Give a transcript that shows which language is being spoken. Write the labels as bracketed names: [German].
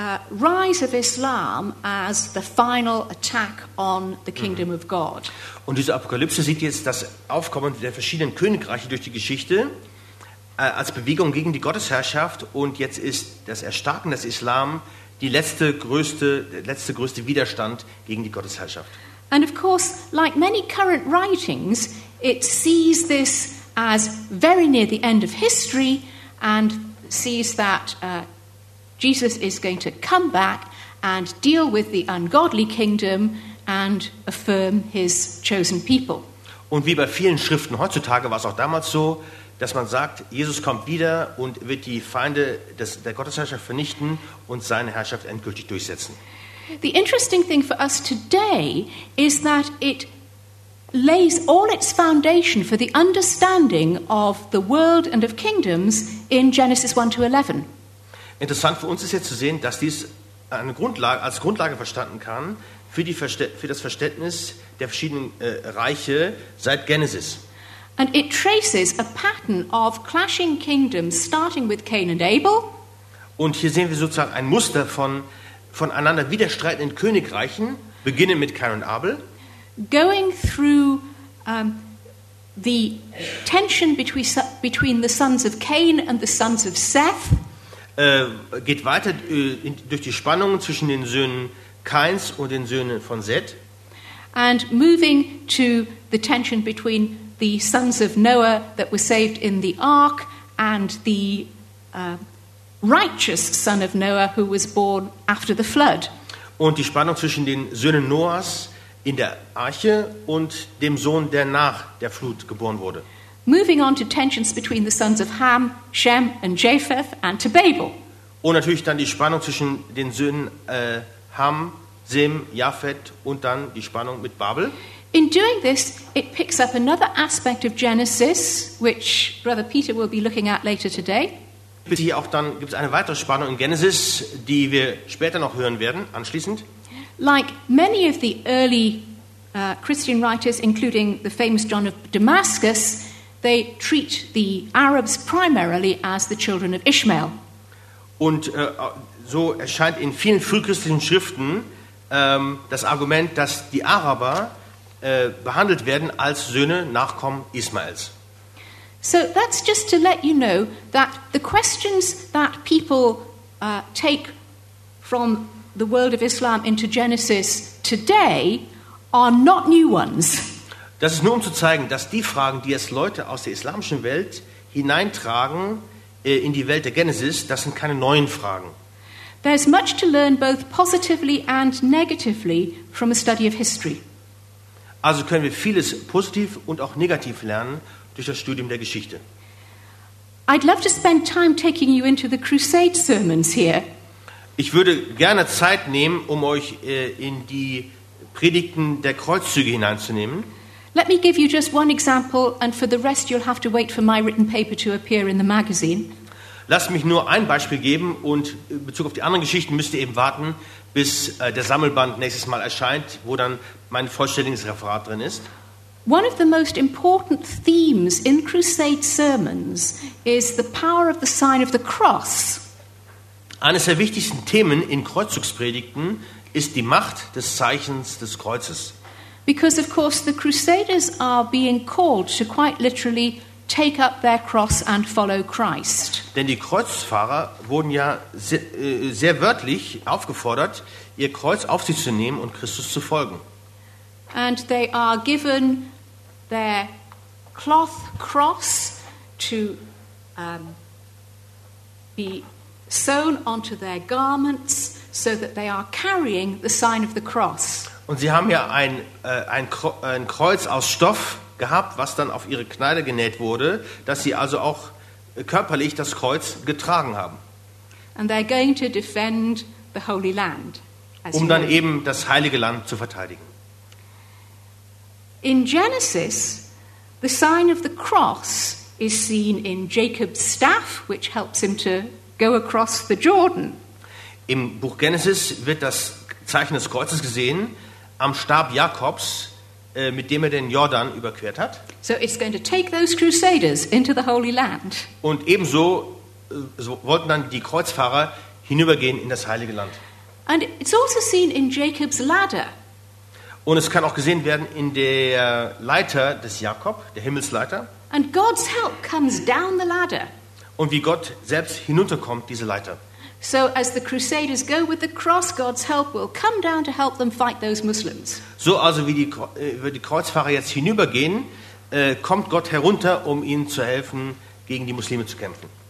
[English] rise of Islam as the final attack on the kingdom of God. [German] Und diese Apokalypse sieht jetzt das Aufkommen der verschiedenen Königreiche durch die Geschichte als Bewegung gegen die Gottesherrschaft, und jetzt ist das Erstarken des Islam die letzte größte Widerstand gegen die Gottesherrschaft. [English] And of course, like many current writings, it sees this as very near the end of history and sees that Jesus is going to come back and deal with the ungodly kingdom and affirm his chosen people. [German] Und wie bei vielen Schriften heutzutage war es auch damals so, dass man sagt, Jesus kommt wieder und wird die Feinde der Gottesherrschaft vernichten und seine Herrschaft endgültig durchsetzen. [English] The interesting thing for us today is that it lays all its foundation for the understanding of the world and of kingdoms in Genesis 1 to 11. [German] Interessant für uns ist jetzt zu sehen, dass dies eine Grundlage, als Grundlage verstanden kann für das Verständnis der verschiedenen Reiche seit Genesis. [English] And it traces a pattern of clashing kingdoms starting with Cain and Abel. [German] Und hier sehen wir sozusagen ein Muster von einander widerstreitenden Königreichen, beginnend mit Cain und Abel. [English] Going through the tension between the sons of Cain and the sons of Seth. [German] Geht weiter durch die Spannungen zwischen den Söhnen Kains und den Söhnen von Seth. [English] And moving to the tension between the sons of Noah that were saved in the ark and the righteous son of Noah who was born after the flood. [German] Und die Spannung zwischen den Söhnen Noahs in der Arche und dem Sohn, der nach der Flut geboren wurde. [English] Moving on to tensions between the sons of Ham, Shem and Japheth and to Babel. [German] Und natürlich dann die Spannung zwischen den Söhnen Ham, Sem, Japheth und dann die Spannung mit Babel. [English] In doing this, it picks up another aspect of Genesis, which Brother Peter will be looking at later today. [German] Hier auch dann gibt es eine weitere Spannung in Genesis, die wir später noch hören werden, anschließend. [English] Like many of the early Christian writers, including the famous John of Damascus, they treat the Arabs primarily as the children of Ishmael. [German] Und so erscheint in vielen frühchristlichen Schriften das Argument, dass die Araber behandelt werden als Söhne, Nachkommen Ismaels. [English] So that's just to let you know that the questions that people take from the world of Islam into Genesis today are not new ones. [German] Das ist nur um zu zeigen, dass die Fragen, die jetzt Leute aus der islamischen Welt hineintragen in die Welt der Genesis, das sind keine neuen Fragen. [English] There's much to learn both positively and negatively from a study of history. [German] Also können wir vieles positiv und auch negativ lernen durch das Studium der Geschichte. [English] I'd love to spend time taking you into the Crusade sermons here. [German] Ich würde gerne Zeit nehmen, um euch in die Predigten der Kreuzzüge hineinzunehmen. [English] Let me give you just one example, and for the rest you'll have to wait for my written paper to appear in the magazine. [German] Lass mich nur ein Beispiel geben, und in Bezug auf die anderen Geschichten müsst ihr eben warten, bis der Sammelband nächstes Mal erscheint, wo dann mein vollständiges Referat drin ist. [English] One of the most important themes in Crusade sermons is the power of the sign of the cross. [German] Eines der wichtigsten Themen in Kreuzzugspredigten ist die Macht des Zeichens des Kreuzes. [English] Because of course the Crusaders are being called to quite literally take up their cross and follow Christ. [German] Denn die Kreuzfahrer wurden ja sehr wörtlich aufgefordert, ihr Kreuz auf sich zu nehmen und Christus zu folgen. [English] And they are given their cloth cross to be sewn onto their garments so that they are carrying the sign of the cross. [German] Und sie haben ja ein Kreuz aus Stoff gehabt, was dann auf ihre Kleider genäht wurde, dass sie also auch körperlich das Kreuz getragen haben. [English] And they're going to defend the Holy Land, [German] um dann eben das Heilige Land zu verteidigen. [English] In Genesis, the sign of the cross is seen in Jacob's staff, which helps him to go across the Jordan. [German] Im Buch Genesis wird das Zeichen des Kreuzes gesehen am Stab Jakobs, mit dem er den Jordan überquert hat. [English] So it's going to take those Crusaders into the Holy Land. [German] Und ebenso wollten dann die Kreuzfahrer hinübergehen in das heilige Land. [English] And it's also seen in Jacob's ladder. [German] Und es kann auch gesehen werden in der Leiter des Jakob, der Himmelsleiter. [English] And God's help comes down the ladder. [German] Und wie Gott selbst hinunterkommt, diese Leiter. [English] So as the crusaders go with the cross, God's help will come down to help them fight those Muslims. [German] So also wie die Kreuzfahrer jetzt hinübergehen, kommt Gott herunter, um ihnen zu helfen, gegen die Muslime zu kämpfen.